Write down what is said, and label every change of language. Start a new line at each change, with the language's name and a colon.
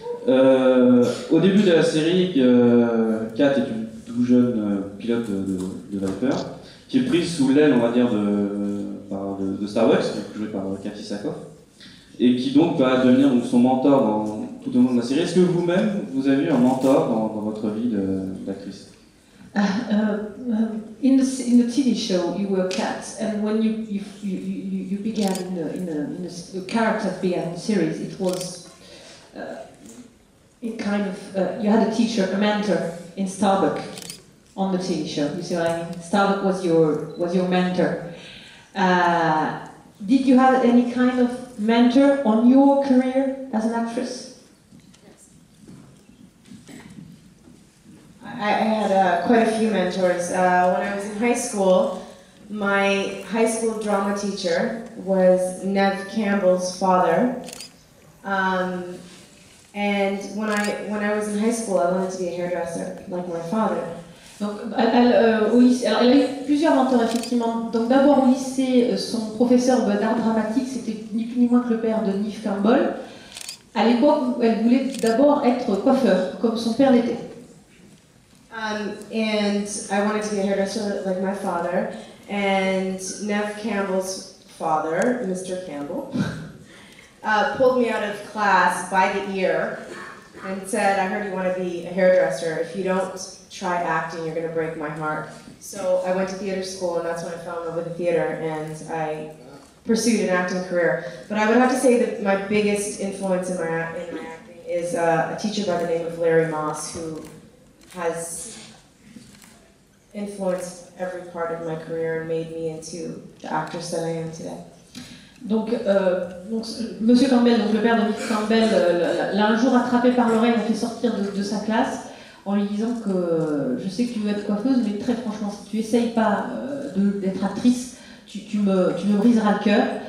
French: Au début de la série, 4 est une tout jeune pilote de Viper, qui est prise sous l'aile, on va dire, de Starbucks, joué par Kathy Sackhoff, et qui donc va devenir donc son mentor dans tout au long de la série. Est-ce que vous-même, vous avez eu un mentor dans votre vie d'actrice?
English: In the TV show, you were Kat, and when you began in the character began the series, it was in kind of you had a teacher, a mentor in Starbucks. On the TV show, you see what I mean? Starbuck was your mentor. Did you have any kind of mentor on your career as an actress? Yes. I had quite a few mentors. When I was in high school, my high school drama teacher was Nev Campbell's father. And when I was in high school, I wanted to be a hairdresser like my father.
French: Donc, elle a eu plusieurs mentors, effectivement. Donc, d'abord au lycée, son professeur d'art dramatique, c'était ni plus ni moins que le père de Neve Campbell. À l'époque, elle voulait d'abord être coiffeur, comme son père l'était.
English: And I wanted to be a hairdresser like my father, and Neve Campbell's father, Mr. Campbell, pulled me out of class by the ear and said, I heard you want to be a hairdresser. If you don't try acting, you're going to break my heart. So I went to theater school, and that's when I fell in love with the theater, and I pursued an acting career. But I would have to say that my biggest influence in my acting is a teacher by the name of Larry Moss, who has influenced every part of my career and made me into the actress that I am today.
French: Donc, Monsieur Campbell, donc le père de Monsieur Campbell, l'a un jour attrapé par l'oreille et fait sortir de sa classe en lui disant que je sais que tu veux être coiffeuse, mais très franchement, si tu essayes pas d'être actrice, tu me briseras le cœur.